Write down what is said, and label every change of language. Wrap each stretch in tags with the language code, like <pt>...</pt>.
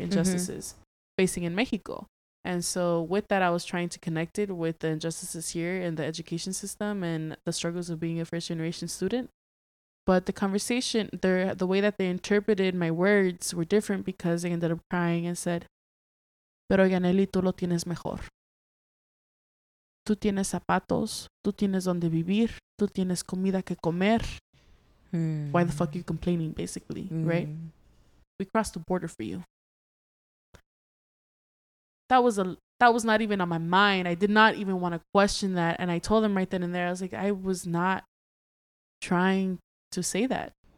<en>Injustices facing in Mexico. And so with that, I was trying to connect it with the injustices here in the education system and the struggles of being a first generation student. But the conversation, the way that they interpreted my words were different, because they ended up crying and said,</en> <es>pero Yaneli, tú lo tienes mejor. Tú tienes zapatos, tú tienes donde vivir, tú tienes comida que comer.</es> <en>Why the fuck are you complaining, basically, right? We crossed the border for you. That was not even on my mind. I did not even want to question that. And I told them right then and there, I was like, I was not trying to say that.</en>